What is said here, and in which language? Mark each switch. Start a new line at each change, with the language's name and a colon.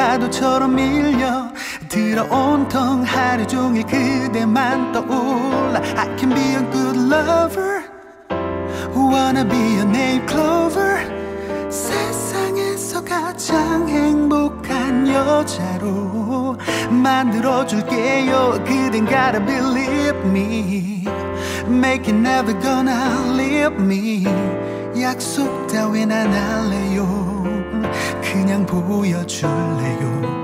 Korean: 처럼 밀려 들어 온통 하루 종일 그대만 떠올라.
English: I can be a good lover, wanna be a name clover.
Korean: 세상에서 가장 행복한 여자로 만들어줄게요. 그댄
English: gotta believe me, make it never gonna leave me.
Korean: 약속 따윈 안 할래요, 그냥 보여줄래요.